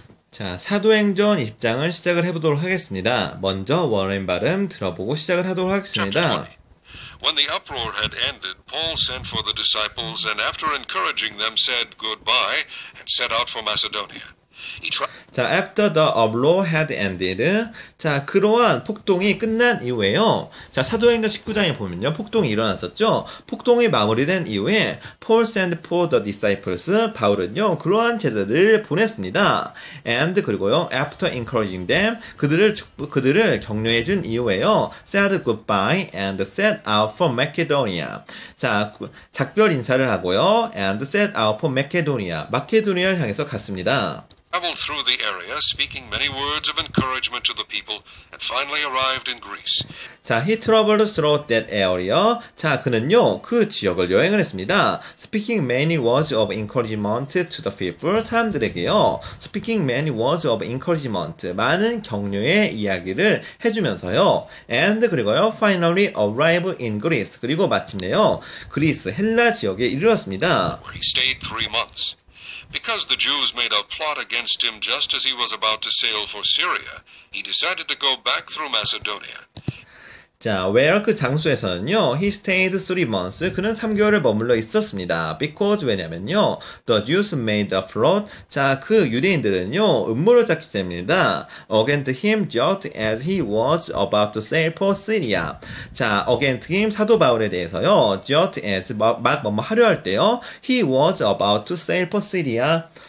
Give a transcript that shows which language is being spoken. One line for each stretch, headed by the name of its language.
Korean: 자, 사도행전 20장을 시작을 해보도록 하겠습니다. 먼저 원어민 발음 들어보고 시작을 하도록
English: Chapter 20.
Korean: 하겠습니다.
English: When the uproar had ended, Paul sent for the disciples and, after encouraging them, said goodbye and set out for Macedonia. He tried. 자, after the uproar had ended.
Korean: 자, 그러한 폭동이 끝난 이후에요. 자, 사도행전 19장에 보면요. 폭동이 일어났었죠. 폭동이 마무리된 이후에
English: Paul sent for the disciples.
Korean: 바울은요, 그러한 제자들을 보냈습니다.
English: And
Korean: 그리고요,
English: after encouraging them,
Korean: 그들을 격려해준 이후에요.
English: said goodbye and set out for Macedonia.
Korean: 자, 작별 인사를 하고요.
English: And set out for Macedonia.
Korean: 마케도니아를 향해서 갔습니다.
English: Traveled through the area, speaking many words of encouragement to the people, and finally arrived in Greece. 자, he traveled throughout that area.
Korean: 자, 그는요, 그 지역을 여행을 했습니다.
English: Speaking many words of encouragement to the people,
Korean: 사람들에게요.
English: Speaking many words of encouragement,
Korean: 많은 격려의 이야기를 해주면서요.
English: And
Korean: 그리고요,
English: finally arrived in Greece.
Korean: 그리고 마침내요, 그리스 헬라 지역에 이르렀습니다.
English: Where he stayed 3 months. Because the Jews made a plot against him just as he was about to sail for Syria, he decided to go back through Macedonia. 자, where
Korean: 그 장소에서는요,
English: he stayed 3 months.
Korean: 그는 3개월을 머물러 있었습니다.
English: Because,
Korean: 왜냐면요,
English: the Jews made a plot.
Korean: 자, 그 유대인들은요, 음모를 짰기 때문입니다.
English: Against him just as he was about to sail for Syria. 자, against him,
Korean: 사도 바울에 대해서요,
English: just as,
Korean: 막 뭐뭐 하려 할 때요,
English: he was about to sail for Syria.